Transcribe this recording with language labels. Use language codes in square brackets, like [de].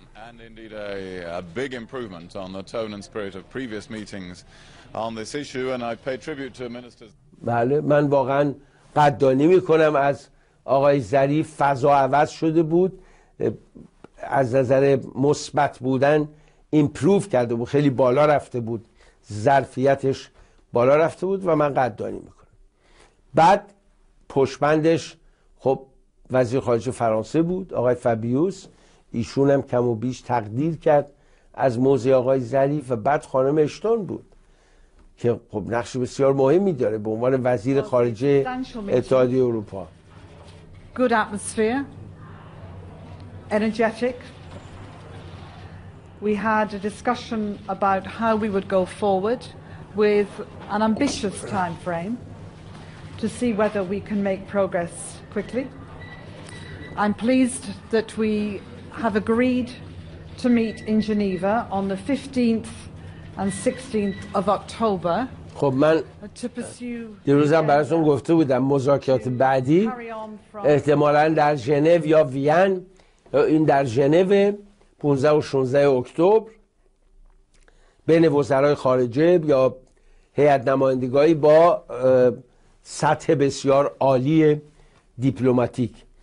[en] And indeed a big improvement on the tone and spirit of previous meetings on this issue and I pay tribute to ministers. [fa] بله من واقعا قدردانی میکنم از آقای ظریف، فضا عوض شده بود، از نظر مثبت بودن ایمپروو کرده بود، خیلی بالا رفته بود، ظرفیتش بالا رفته بود و من قدردانی میکنم. بعد پشبندش خب وزیر خارجه فرانسه بود آقای فابیوس، ایشون هم کم و بیش تقدیر کرد از موضع آقای ظریف، و بعد خانم اشتون بود که خب نقش بسیار مهمی داره به عنوان وزیر خارجه اتحادیه اروپا. [en] Good atmosphere, energetic. We had a discussion about how we would go forward with an ambitious time frame to see whether we can make progress quickly. I'm pleased that we have agreed to meet in Geneva on the 15th and 16th of October. [fa] خب من دیروزم براتون گفته بودم مذاکرات بعدی احتمالاً در ژنو یا وین، این در ژنو 15 و 16 اکتبر بین وزرای خارجه یا هیئت نمایندگی با سطح بسیار عالی دیپلماتیک.